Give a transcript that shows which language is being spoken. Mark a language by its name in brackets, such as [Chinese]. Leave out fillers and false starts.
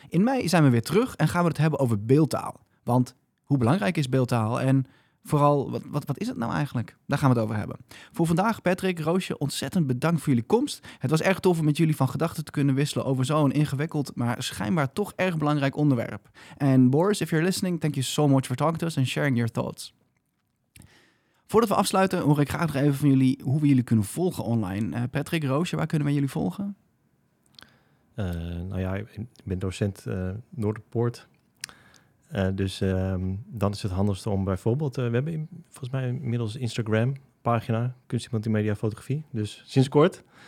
[Dutch] In mei zijn we weer terug en gaan we het hebben over beeldtaal. Want hoe belangrijk is beeldtaal en... Vooral, wat is het nou eigenlijk? Daar gaan we het over hebben. Voor vandaag, Patrick, Roosje, ontzettend bedankt voor jullie komst. Het was erg tof om met jullie van gedachten te kunnen wisselen over zo'n ingewikkeld, maar schijnbaar toch erg belangrijk onderwerp. [English] En Boris, if you're listening, thank you so much for talking to us and sharing your thoughts. [Dutch] Voordat we afsluiten, hoor ik graag nog even van jullie hoe we jullie kunnen volgen online. Patrick, Roosje, waar kunnen we jullie volgen? Ik ben docent Noorderpoort. Dan is het handigste om bijvoorbeeld... we hebben volgens mij inmiddels Instagram pagina, kunst en multimedia fotografie. Dus sinds kort.